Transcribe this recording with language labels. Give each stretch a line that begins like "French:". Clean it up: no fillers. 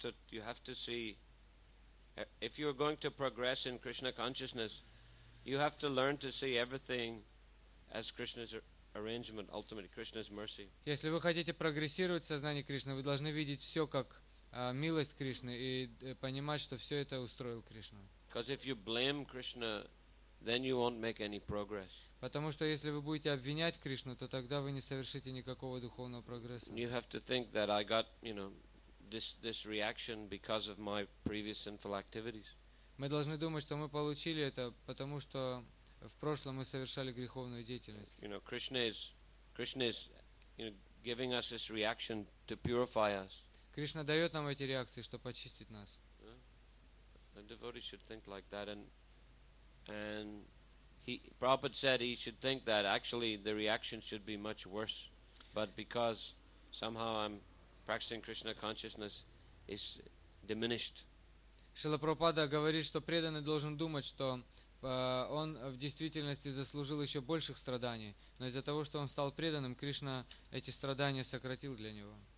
English: You have to see if you're going to progress in Krishna consciousness, you have to learn to see everything as Krishna's arrangement, ultimately Krishna's mercy.
Russian: Если вы хотите прогрессировать в сознании Кришны, вы должны видеть все как милость Кришны и понимать, что все это устроил Кришна.
English: Because if you blame Krishna, then you won't make any progress.
Russian: Потому что если вы будете обвинять Кришну, то тогда вы не совершите никакого духовного прогресса.
English: You have to think that I got, you know, this reaction because of my previous sinful activities.
Russian: Мы должны думать, что мы получили это, потому что в прошлом мы совершали греховную деятельность.
English: You know, Krishna is, you know, giving us this reaction to purify us.
Russian: Кришна дает нам эти реакции, чтобы очистить нас.
English: A devotee should think like that, and he, Prabhupada said he should think that actually the reaction should be much worse, but because somehow I'm practicing Krishna consciousness, it's diminished.
Russian: Шрила Прабхупада говорит, что преданный должен думать, что он в действительности заслужил еще больших страданий, но из-за того, что он стал преданным, Кришна эти страдания сократил для него.